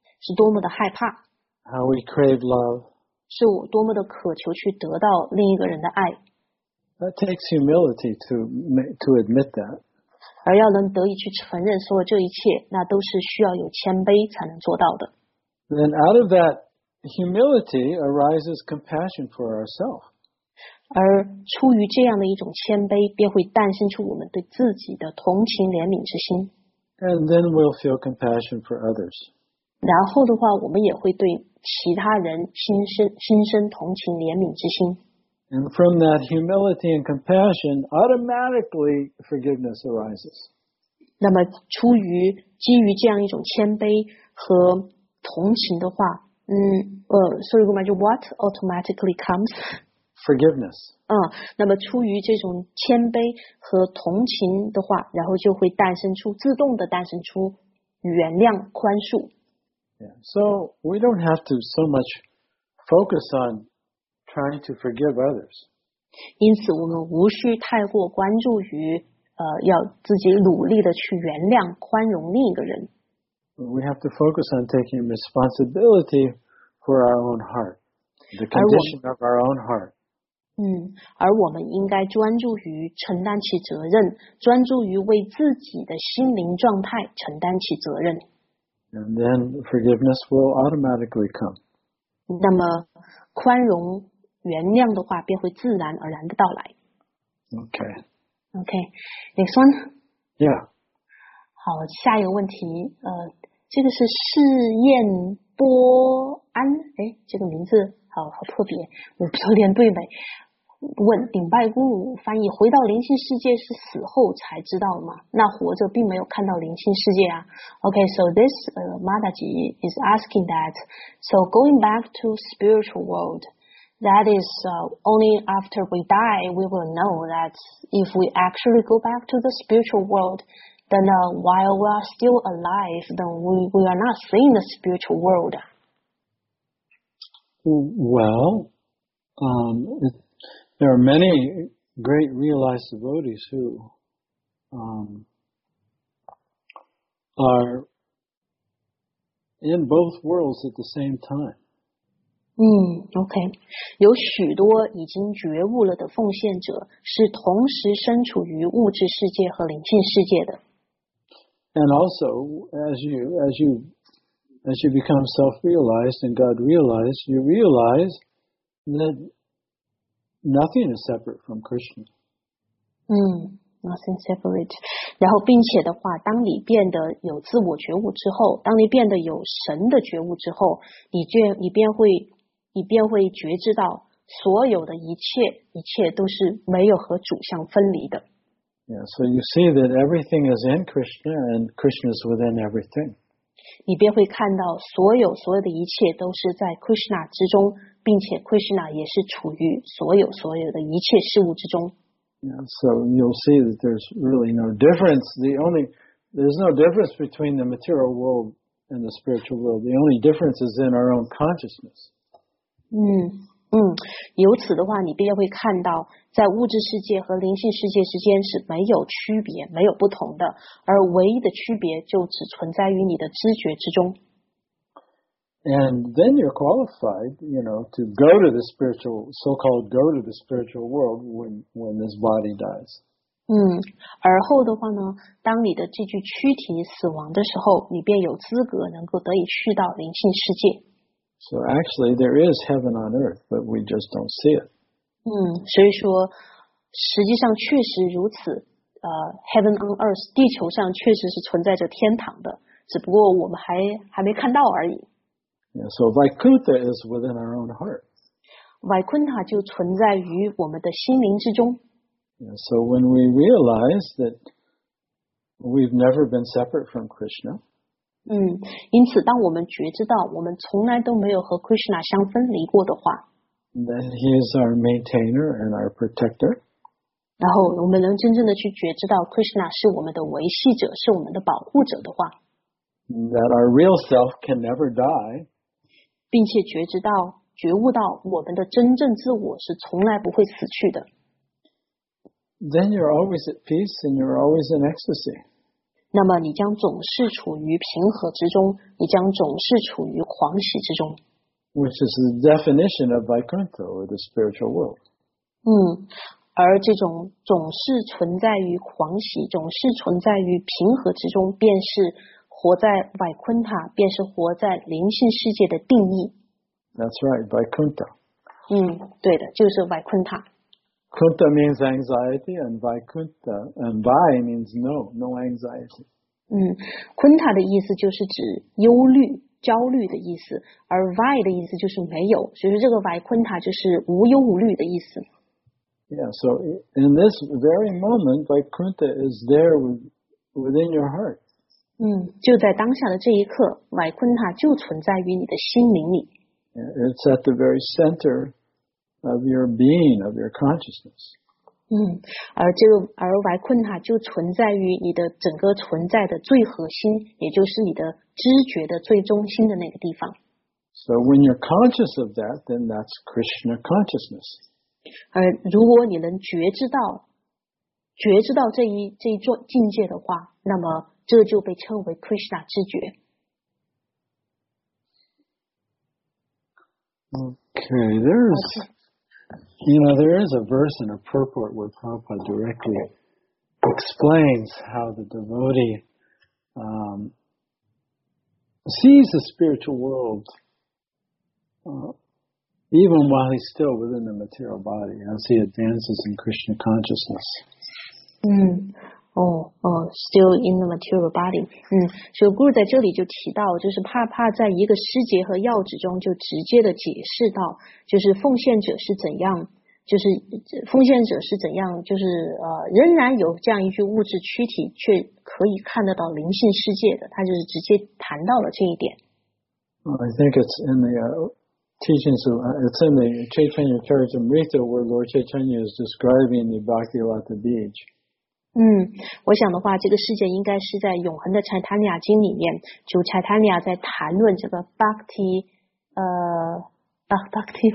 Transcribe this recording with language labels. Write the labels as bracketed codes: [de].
[zh] 是多么的害怕。 [en] How we crave love. [zh] 是我多么的渴求去得到另一个人的爱。 [en] That takes humility to admit that. [zh] 而要能得以去承认所有这一切，那都是需要有谦卑才能做到的。 [en] Then out of that humility arises compassion for ourselves. [zh] 而出于这样的一种谦卑，便会诞生出我们对自己的同情怜悯之心。 [en] And then we'll feel compassion for others. [zh] 然后的话，我们也会对其他人心生同情怜悯之心。 [en] And from that humility and compassion, automatically forgiveness arises. [zh] 那么基于这样一种谦卑和同情的话， [en] sorry, Guma, what automatically comes? Forgiveness. [zh] 那么出于这种谦卑和同情的话，然后就会自动的诞生出原谅、宽恕。 [en] Yeah. So we don't have to so much focus on trying to forgive others. [zh] 因此我们无需太过关注于要自己努力的去原谅宽容另一个人。 [en] We have to focus on taking responsibility for our own heart, the condition of our own heart. [zh] 而我们应该专注于承担起责任，专注于为自己的心灵状态承担起责任。 [en] And then forgiveness will automatically come. [zh] 那么宽容原谅的话便会自然而然的到来。 [en] Okay. Okay. Next one. Yeah. [zh] 好，下一个问题，这个是试验波安，这个名字好特别，我不知道念对没。问顶拜姑鲁翻译，回到灵性世界是死后才知道吗？那活着并没有看到灵性世界啊。 [en] Okay, so this Mataji is asking that, so going back to spiritual world, That is only after we die we will know that if we actually go back to the spiritual world, then while we are still alive, then we are not seeing the spiritual world. Well, there are many great realized devotees who are in both worlds at the same time. OK. [zh] 有许多已经觉悟了的奉献者是同时身处于物质世界和灵性世界的。 [en] And also, as you become self-realized and God-realized, you realize that nothing is separate from Krishna. Nothing separate. [zh] 然后并且的话，当你变得有自我觉悟之后，当你变得有神的觉悟之后，你便会觉知到所有的一切都是没有和主相分离的。 [en] Yeah, so you see that everything is in Krishna and Krishna is within everything. [zh] 你便会看到所有的一切都是在 Krishna 之中，并且 Krishna 也是处于所有的一切事物之中。 [en] Yeah, so you'll see that there's really no difference. There's no difference between the material world and the spiritual world. The only difference is in our own consciousness. [zh] 由此的话你便会看到在物质世界和灵性世界之间是没有区别没有不同的而唯一的区别就只存在于你的知觉之中。 [en] And then you're qualified, you know, to go to the spiritual, so-called go to the spiritual world when this body dies. [zh] 而后的话呢当你的这具躯体死亡的时候你便有资格能够得以去到灵性世界。 [en] So actually, there is heaven on earth, but we just don't see it. [zh] 所以说，实际上确实如此。 [en] Heaven on earth, [zh] 地球上确实是存在着天堂的，只不过我们还没看到而已。 [en] Yeah, so Vaikuntha is within our own heart. [zh] Vaikuntha 就存在于我们的心灵之中。 [en] Yeah, so when we realize that we've never been separate from Krishna, [zh] 因此当我们觉知到我们从来都没有和 Krishna 相分离过的话 [en] Then he is our maintainer and our protector. [zh] 然后我们能真正的去觉知到 Krishna 是我们的维系者是我们的保护者的话 [en] That our real self can never die. [zh] 并且觉知到觉悟到我们的真正自我是从来不会死去的 [en] Then you're always at peace and you're always in ecstasy. [zh] 那么你将总是处于平和之中，你将总是处于狂喜之中。 [en] Which is the definition of Vaikuntha or the spiritual world. [zh] 而这种总是存在于狂喜，总是存在于平和之中，便是活在 Vaikuntha， 便是活在灵性世界的定义。 [en] That's right, Vaikuntha. [zh] 对的，就是 Vaikuntha。 [en] Kunta means anxiety, and Vaikuntha and Vai means no anxiety. [zh] Kunta 的意思就是指忧虑、焦虑的意思，而 Vai 的意思就是没有，所以说这个 Vaikuntha 就是无忧无虑的意思。 [en] Yeah, so in this very moment, Vaikuntha is there within your heart. [zh] 就在当下的这一刻 ，Vaikuntha 就存在于你的心灵里。 [en] Yeah, it's at the very center. Of your being, of your consciousness. [zh] 而维昆塔就存在于你的整个存在的最核心，也就是你的知觉的最中心的那个地方。 [en] So when you're conscious of that, then that's Krishna consciousness. [zh] 如果你能觉知到这一座境界的话，那么这就被称为 Krishna 知觉。 [en] Okay, there's. You know, there is a verse in a purport where Prabhupada directly explains how the devotee sees the spiritual world even while he's still within the material body as he advances in Krishna consciousness. Still in the material body. [zh] 所以 Guru 在这里就提到，就是帕帕在一个师节和要旨中就直接的解释到，就是奉献者是怎样，就是奉献者是怎样，就是仍然有这样一具物质躯体，却可以看得到灵性世界的。他就是直接谈到了这一点。 [en] I think it's in the teachings of, it's in the Chaitanya Charitamrita where Lord Chaitanya is describing the Bhakti Lata Beach. [zh] 嗯，我想的话，这个世界应该是在《永恒的 Chaitanya 经》里面，就 Chaitanya 在谈论这个 Bhakti， Bhakti